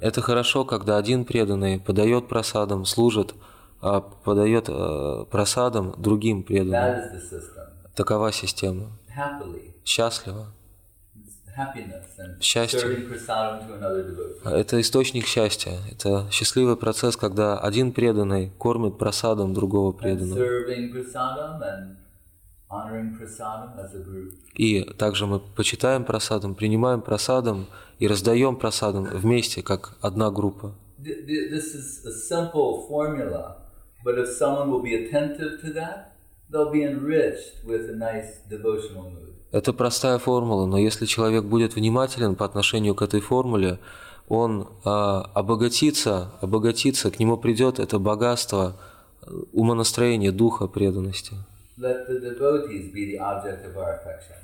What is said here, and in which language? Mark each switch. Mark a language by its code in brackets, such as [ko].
[ru] Это хорошо, когда один преданный подает прасадам, служит, подает прасадам другим преданным. [en] That is the system. [ru] Такова система. [en] Happily. [ru] Счастливо. [en] Happiness and счастье. Serving prasadam to another devotee. [ru] Это источник счастья. Это счастливый процесс, когда один преданный кормит прасадам другого преданного. [en] And serving prasadam and honoring prasadam as a group. [ru] И также мы почитаем прасадам, принимаем прасадам и раздаем прасадам вместе, как одна группа. [en] This is a simple formula, but if someone will be attentive to that, they'll be enriched with a nice devotional mood. [ru] Это простая формула, но если человек будет внимателен по отношению к этой формуле, он обогатится, к нему придет это богатство умонастроения, духа преданности. [en] Let the devotees be the object of our affection.